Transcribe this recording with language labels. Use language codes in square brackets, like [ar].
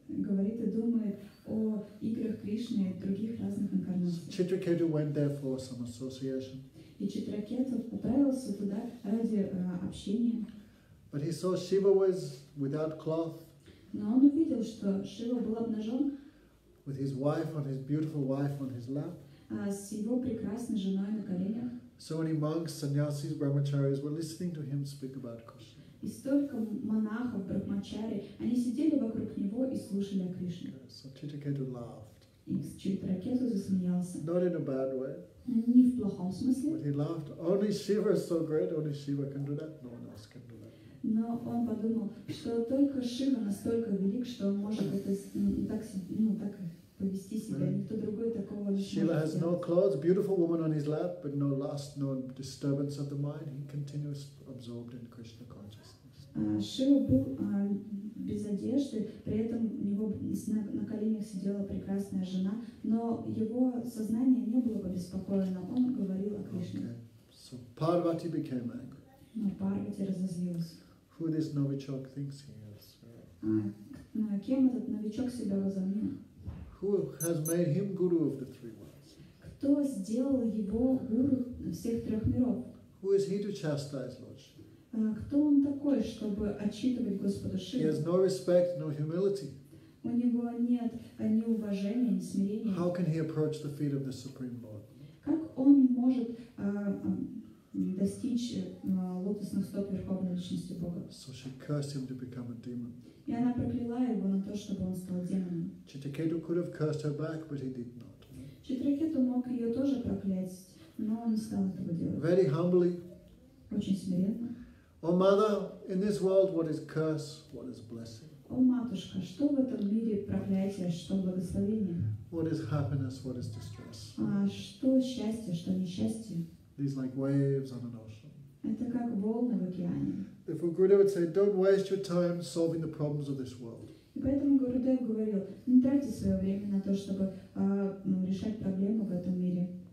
[ru] Говорит и думает о играх Кришны и других разных инкарнациях. [en] Citraketu went there for some association. [ru] И Читракету отправился туда ради общения. [en] But he saw Shiva was without cloth. [ru] Но он увидел, что Шива был обнажен. [en] With his wife, on his beautiful wife, on his lap. [ru] С его прекрасной женой на коленях. [en] So many monks, sannyasis, brahmacharis were listening to him speak about Krishna. [ru] И столько монахов, брахмачари, они сидели вокруг него и слушали о Кришне. [en] So Citraketu laughed. [ru] И Читракету засмеялся. [en] Not in a bad way. [ru] Не в плохом смысле. [en] But he laughed. Only Shiva is so great. Only Shiva can do that. No one else can do that. [ru] Но он подумал, что только Шива настолько велик, что он может это так повести себя. Никто другой такого не [en] Shiva has no clothes, beautiful woman on his lap, but no lust, no disturbance of the mind. He continues absorbed in Krishna consciousness. [ru] Шива был без одежды, при этом у него на коленях сидела прекрасная жена, но его сознание не было обеспокоено. Он говорил о Кришне. [en] Okay. So Parvati became angry. [ru] Но Парвати разозлился. [en] Who this novichok thinks he is? [ru] Кем этот новичок себя возомнил? [en] Who has made him guru of the three worlds? [ru] Кто сделал его гуру всех трех миров? [en] Who is he to chastise Lord Shiva? [ru] Кто он такой, чтобы отчитывать Господа Шиву? [en] He has no respect, no humility. [ru] У него нет ни уважения, ни смирения. [en] How can he approach the feet of the Supreme Lord? [ru] Как он может достичь лотосных стоп верховной личности Бога? [en] So she cursed him to become a demon. [ru] И она прокляла его на то, чтобы он стал демоном. [en] Читракету could have cursed her back, but he did not. [ru] Читракету мог ее тоже проклясть, но он не стал этого делать. [en] Very humbly. [ru] Очень смиренно. [en] О, Mother, in this world, what is curse, what is blessing? [ru] О, матушка, что в этом мире проклятие, что благословение? [en] What is happiness, what is distress? [ru] А что счастье, что несчастье? [en] These like waves on an ocean. [ru] Это как волны в океане. [en] Therefore, Guru would say, "Don't waste your time solving the problems of this world." [ru] И поэтому Гурудев говорил, не тратьте свое время на то, чтобы решать проблему в этом мире.